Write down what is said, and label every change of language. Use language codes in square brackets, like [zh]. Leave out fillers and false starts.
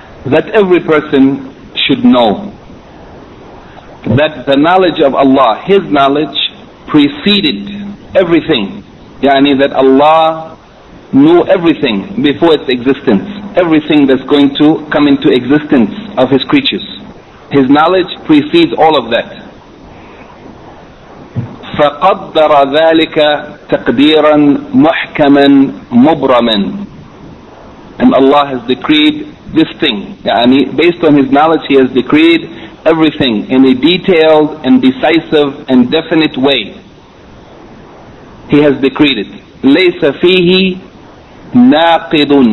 [en] That every person should know that the knowledge of Allah, His knowledge, preceded everything. Yani that Allah knew everything before its existence. Everything that's going to come into existence of His creatures, His knowledge precedes all of that. [ar] فَقَدَّرَ ذَلِكَ تَقْدِيرًا مُحْكَمًا مُبْرَمًا. [en] And Allah has decreed this thing, yani based on His knowledge, He has decreed everything in a detailed and decisive and definite way. He has decreed it. [ar] لَيْسَ فِيهِ نَاقِدٌ.